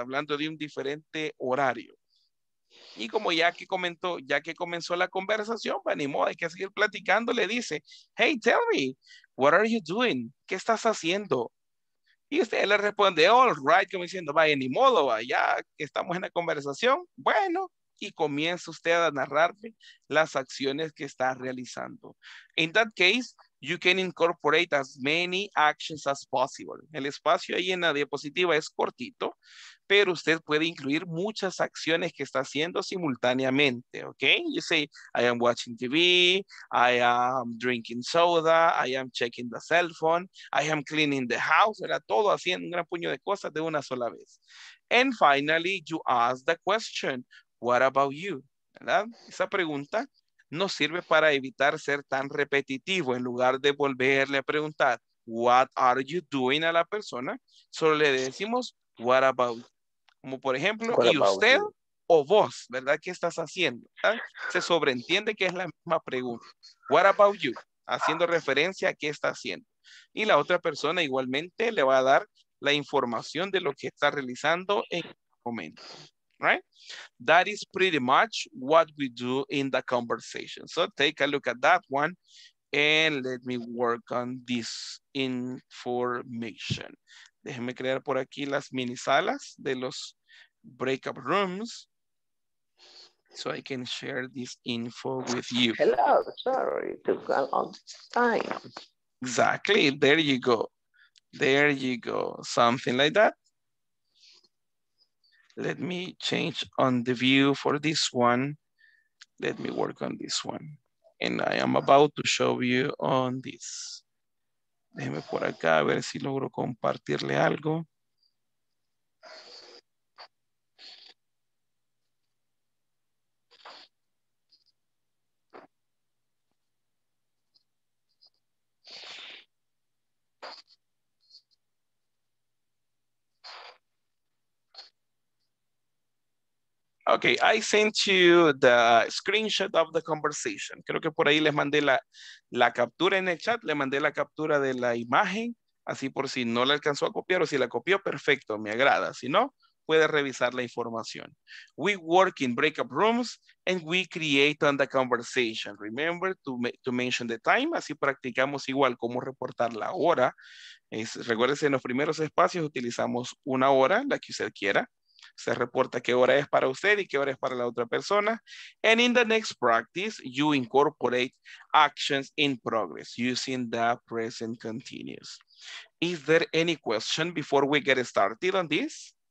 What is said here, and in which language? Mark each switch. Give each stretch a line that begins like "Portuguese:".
Spanish: Hablando de un diferente horario. Y como ya que comenzó la conversación, ni modo, hay que seguir platicando, le dice,
English: hey, tell me, what are you doing?
Spanish: ¿Qué estás haciendo? Y usted le responde,
English: all right,
Spanish: como diciendo, vaya, ni modo, ya estamos en la conversación, bueno. Y comienza usted a narrarme las acciones que está realizando.
English: In that case, you can incorporate as many actions as possible.
Spanish: El espacio ahí en la diapositiva es cortito, pero usted puede incluir muchas acciones que está haciendo simultáneamente, ¿ok?
English: You say, I am watching TV, I am drinking soda, I am checking the cell phone, I am cleaning the house,
Spanish: era todo haciendo un gran puño de cosas de una sola vez.
English: And finally, you ask the question, what about you?
Spanish: ¿Verdad? Esa pregunta nos sirve para evitar ser tan repetitivo. En lugar de volverle a preguntar,
English: what are you doing
Spanish: a la persona, solo le decimos,
English: what about you?
Spanish: Como por ejemplo, ¿y usted you? O vos? ¿Verdad? ¿Qué estás haciendo? ¿Verdad? Se sobreentiende que es la misma pregunta.
English: What about you?
Spanish: Haciendo referencia a qué está haciendo. Y la otra persona igualmente le va a dar la información de lo que está realizando en el momento.
English: Right? That is pretty much what we do in the conversation. So take a look at that one and let me work on this information.
Spanish: Déjenme crear por aquí las mini salas de los breakout rooms
English: so I can share this info with you. Hello, sorry to call all this time. Exactly. There you go. Something like that. Let me change on the view for this one. Let me work on this one. And I am about to show you on this.
Spanish: Déjeme por acá a ver si logro compartirle algo.
English: Okay, I sent you the screenshot of the conversation.
Spanish: Creo que por ahí les mandé la captura en el chat, le mandé la captura de la imagen, así por si no la alcanzó a copiar o si la copió, perfecto, me agrada. Si no, puede revisar la información.
English: We work in breakout rooms and we create on the conversation. Remember to mention the time,
Spanish: así practicamos igual cómo reportar la hora. Recuérdense, en los primeros espacios utilizamos una hora, la que usted quiera. Se reporta qué hora es para usted y qué hora es para la otra persona.
English: And in the next practice, you incorporate actions in progress using the present continuous. Is there any question before we get started on this?